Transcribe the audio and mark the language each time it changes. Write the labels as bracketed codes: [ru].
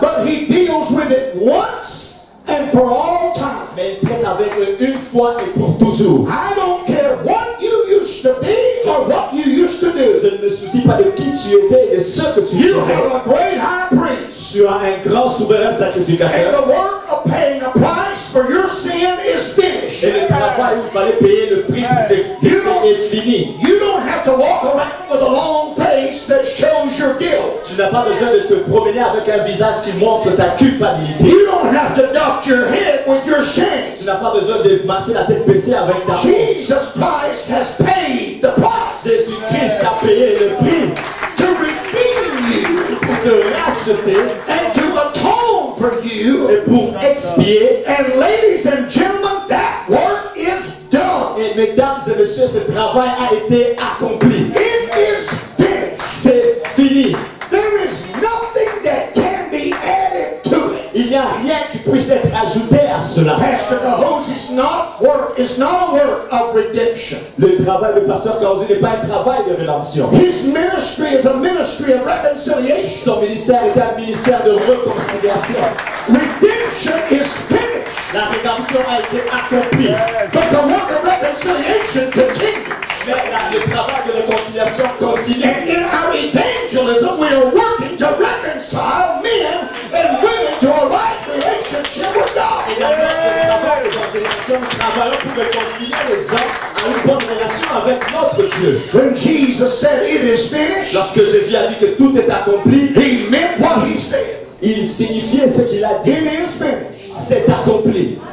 [en] But he deals with it once and for all time. [fr] Mais il traite avec eux une fois et pour toujours. [en] I don't care what you used to be or what you used to do. [fr] Je ne me soucie pas de qui tu étais et de ce que tu faisais. [en] You have a great high priest. [fr] Tu as un grand souverain sacrificateur. [en] And the work of paying a price for your sin is finished. [fr] Et le travail où il fallait payer le prix de péché est fini. [en] You don't have to walk around with a long face that shows your guilt. [fr] Tu n'as pas besoin de te promener avec un visage qui montre ta culpabilité. [en] You don't have to duck your head with your shame. [fr] Tu n'as pas besoin de masser la tête baissée avec ta honte. [en] Jesus Christ has paid the price. [fr] Jésus-Christ a payé le prix. [en] And to atone for you, [fr] et pour expier. [en] And ladies and gentlemen, that work is done. [fr] Et mesdames et messieurs, ce travail a été accompli. [en] It is finished. [fr] C'est fini. [en] There is nothing that can be added to it. [fr] Il n'y a rien qui puisse être ajouté à cela. [en] Pastor Cahos is not work. It's not a work of redemption. [fr] Le travail de Pasteur Cahos n'est pas un travail de rédemption. [en] His ministry is a ministry of reconciliation. [fr] Son ministère est un ministère de réconciliation. [en] Redemption is finished. [fr] La rédemption a été accomplie. [en] Yes. But the work of reconciliation continues. [fr] Mais là, le travail de réconciliation continue. [en] And in our evangelism, we are working to reconcile men and women to a right relationship with God. [fr] Et dans notre travail de réconciliation, nous travaillons pour réconcilier les hommes à une bonne relation avec notre Dieu. [en] When Jesus said it is finished, [fr] lorsque Jésus a dit que tout est accompli, [en] he meant what he said. [fr] Il signifiait ce qu'il a dit. [en] It is finished. [fr] C'est accompli.